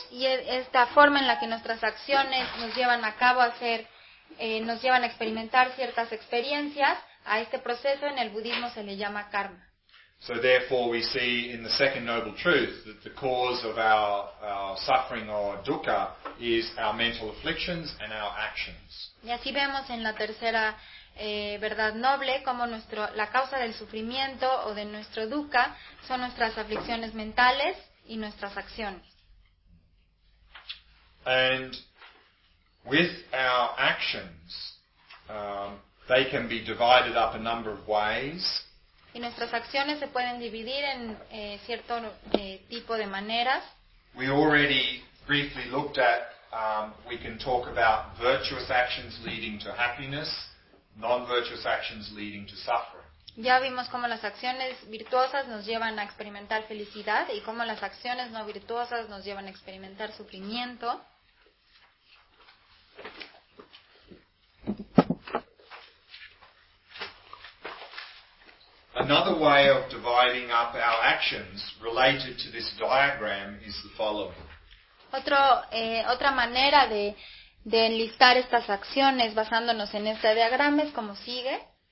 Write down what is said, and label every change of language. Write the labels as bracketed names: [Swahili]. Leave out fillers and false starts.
[Spanish] Y esta forma en la que nuestras acciones nos llevan a cabo nos llevan a experimentar ciertas experiencias, a este proceso en el budismo se le llama karma. [English] So therefore we see in the second noble truth that the cause of our suffering or dukkha is our mental afflictions and our actions. [Spanish] Y así vemos en la tercera verdad noble como la causa del sufrimiento o de nuestro dukkha son nuestras aflicciones mentales y nuestras acciones. [English] And with our actions, they can be divided up a number of ways. [Spanish] Y nuestras acciones se pueden dividir en cierto tipo de maneras. [English] We already briefly looked at, we can talk about virtuous actions leading to happiness, non-virtuous actions leading to suffering. [Spanish] Ya vimos cómo las acciones virtuosas nos llevan a experimentar felicidad y cómo las acciones no virtuosas nos llevan a experimentar sufrimiento. [English] Another way of dividing up our actions related to this diagram is the following. [Spanish] Otra manera de enlistar estas acciones basándonos en este diagrama es como sigue.